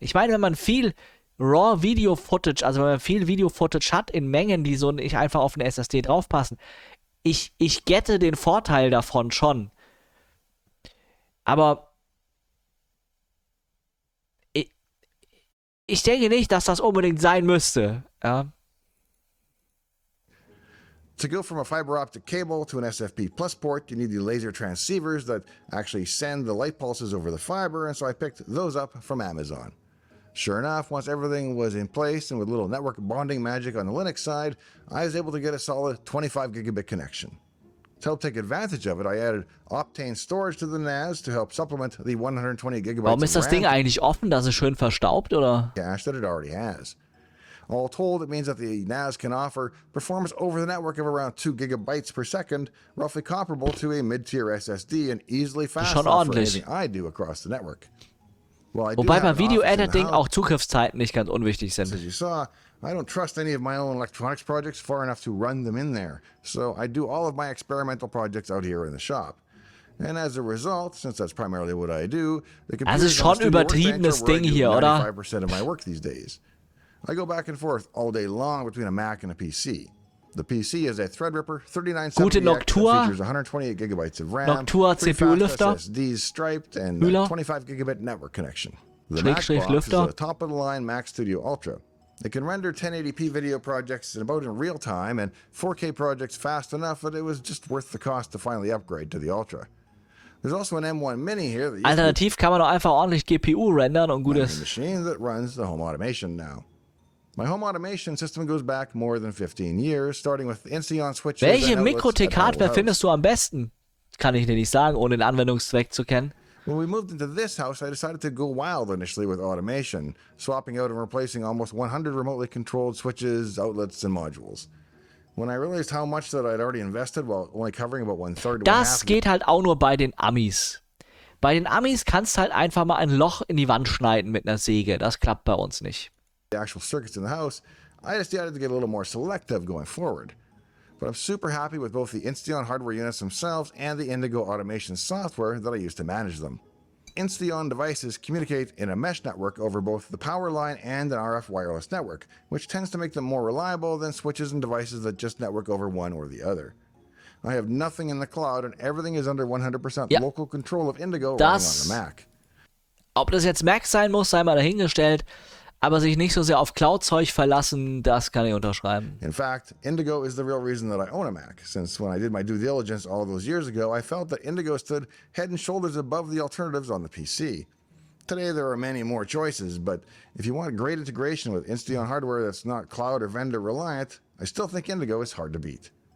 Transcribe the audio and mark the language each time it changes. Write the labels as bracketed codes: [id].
[de] Ich meine, wenn man viel Raw-Video-Footage, also wenn man viel Video-Footage hat in Mengen, die so nicht einfach auf eine SSD draufpassen, ich gette den Vorteil davon schon. Aber ich denke nicht, dass das unbedingt sein müsste, ja. [en] To go from a fiber optic cable to an SFP Plus port, you need the laser transceivers that actually send the light pulses over the fiber, and so I picked those up from Amazon. Sure enough, once everything was in place and with a little network bonding magic on the Linux side, I was able to get a solid 25 gigabit connection. To help take advantage of it, I added Optane storage to the NAS to help supplement the 120 gigabytes. [de] Warum ist das Ding eigentlich offen, dass es schön verstaubt, oder? [en] Cache that it already has. All told, it means that the NAS can offer performance over the network of around 2 gigabytes per second, roughly comparable to a mid-tier SSD and easily faster than anything I do across the network. [de] Well, wobei beim Video-Editing auch Zugriffszeiten nicht ganz unwichtig sind. [en] As you saw, I don't trust any of my own electronics projects far enough to run them in there, so I do all of my experimental projects out here in the shop. And as a result, since that's primarily what I do, the computer [de] also schon übertriebenes Ding hier, oder? 95% [en] of my work these days. I go back and forth all day long between a Mac and a PC. The PC is a Threadripper 3970X that features 128 gigabytes of RAM, [de] Noctua, CPU Lüfter, [en] SSDs striped, and a 25 gigabit network connection. The MacBook is a top-of-the-line Mac Studio Ultra. It can render 1080p video projects in about in real time and 4K projects fast enough that it was just worth the cost to finally upgrade to the Ultra. There's also an M1 Mini here that [de] alternativ kann man doch einfach ordentlich GPU rendern und gutes [en] machine that runs the home automation now. My home automation system goes back more than 15 years, starting with Insignia switches. [de] Welche Mikro-TK-Hardware findest du am besten? Kann ich dir nicht sagen, ohne den Anwendungszweck zu kennen. [en] When we moved into this house, I decided to go wild initially with automation, swapping out and replacing almost 100 remotely controlled switches, outlets, and modules. When I realized how much that I'd already invested, while only covering about one third. [de] Das geht halt auch nur bei den Amis. Bei den Amis kannst halt einfach mal ein Loch in die Wand schneiden mit einer Säge. Das klappt bei uns nicht. [en] The actual circuits in the house, I just decided to get a little more selective going forward. But I'm super happy with both the Insteon hardware units themselves and the Indigo automation software that I use to manage them. Insteon devices communicate in a mesh network over both the power line and an RF wireless network, which tends to make them more reliable than switches and devices that just network over one or the other. I have nothing in the cloud and everything is under 100% yep. local control of Indigo [de] das, [en] on the Mac. [de] Ob das jetzt Mac sein muss, sei mal dahingestellt. Aber sich nicht so sehr auf Cloud-Zeug verlassen, das kann ich unterschreiben. [en] In fact, Indigo is the real reason that I own a Mac, since when I did my due diligence all those years ago, I felt that Indigo stood head and shoulders above the alternatives on the PC. Today there are many more choices, but if you want great integration with Insteon hardware that's not cloud or vendor reliant, I still think Indigo is hard to beat.